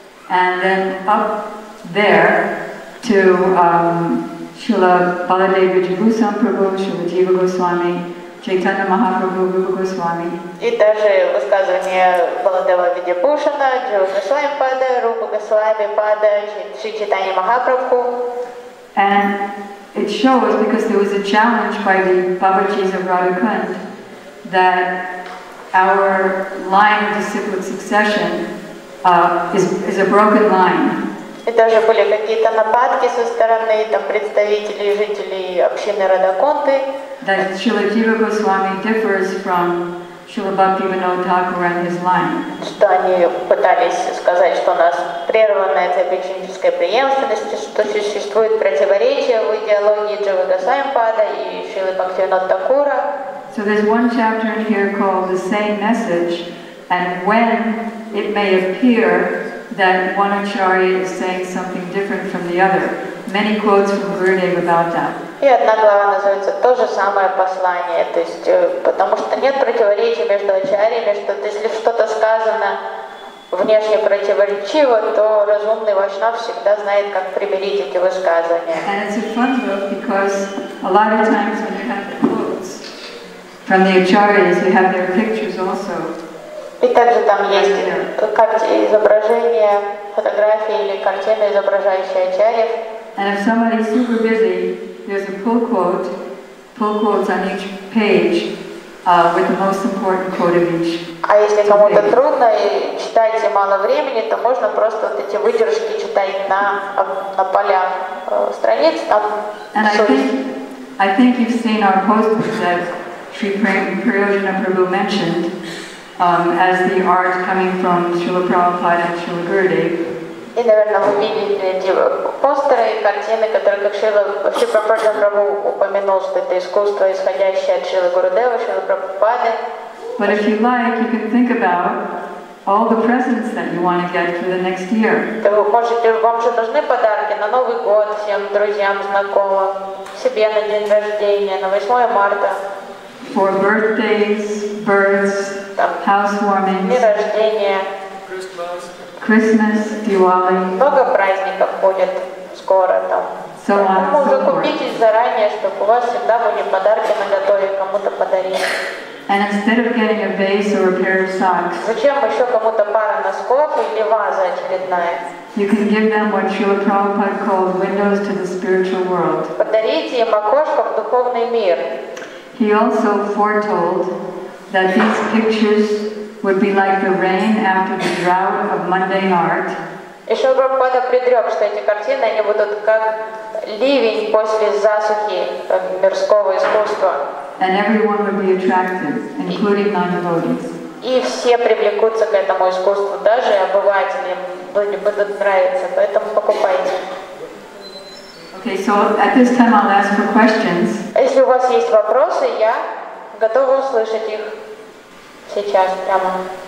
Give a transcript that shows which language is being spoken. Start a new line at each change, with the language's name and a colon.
English: And then up there to Srila Baladev Vijayabhusam Prabhu, Srila Jiva Goswami, Чайтанья Махапрабху, Рупа Госвами.
Russian: И даже высказывание Баладева Видьябушана, Джива Госвами Пада, Рупа Госвами Пада, Шри Чайтанья Махапрабху.
English: And it shows, because there was a challenge by the Babajis of Radhakund, that our line of disciplic succession is a broken line.
Russian: И даже были какие-то нападки со стороны там, представителей и жителей общины Радаконты.
English: That Srila Jiva Goswami differs from Srila Bhakti Vinod Thakur and his line.
Russian: Что они пытались сказать, что у нас прерванная цепь ученической преемственности, что существует противоречие в идеологии Джива Госвамипада и Шрилы Бхакти Винод Такура.
English: So there's one chapter in here called The Same Message, and when it may appear that one acharya is saying something different from the other. Many quotes from Gurudev about that.
Russian: И одна глава называется «То же самое послание», то есть, потому что нет противоречия между ачарьями, что если что-то сказано внешне противоречиво, то разумный вайшнав всегда знает, как примирить эти высказывания.
English: And it's a fun book because a lot of times when you have the quotes from the acharyas, you have their pictures also.
Russian: И также там есть изображения, фотографии или картины, изображающие ачарьев.
English: And if somebody's super busy, there's a pull quotes on each page with the most important quote of each.
Russian: А если кому-то трудно и читать мало времени, то можно просто вот эти выдержки читать на полях страниц там.
English: And I think you've seen our posters that Sri Priyojana Prabhu mentioned as the art coming from Srila Prabhupada and Srila Gurudev.
Russian: И, наверное, вы видели эти постеры и картины, которые, как Шрила Прабхупада Прабху упомянул, что это искусство, исходящее от Шрилы Гурудева, Шрилы Прабхупады.
English: But if you like, you can think about all the presents that you want to get for the next year.
Russian: То вы можете, вам же нужны подарки на Новый год всем друзьям, знакомым, себе на день рождения, на 8 марта.
English: for birthdays, births, housewarming,
Russian: дни рождения,
English: Christmas, Diwali.
Russian: Много праздников будет скоро там.
English: So on,
Russian: поэтому закупитесь заранее, чтобы у вас всегда были подарки на готове, кому-то подарить.
English: And instead of getting a vase or a pair of socks,
Russian: зачем еще кому-то пара носков или ваза очередная?
English: You can give them what Srila Prabhupada called windows to the spiritual world.
Russian: Подарите им окошко в духовный мир.
English: He also foretold that these pictures would be like the rain after the drought of mundane art.
Russian: И Шрила Прабхупада предрек, что эти картины они будут как ливень после засухи мирского искусства.
English: And everyone would be attracted, including non-devotees.
Russian: И все привлекутся к этому искусству, даже обыватели будут нравиться, поэтому покупайте.
English: Okay, so at this time I'll ask for questions.
Russian: Если у вас есть вопросы, я готова услышать их сейчас прямо.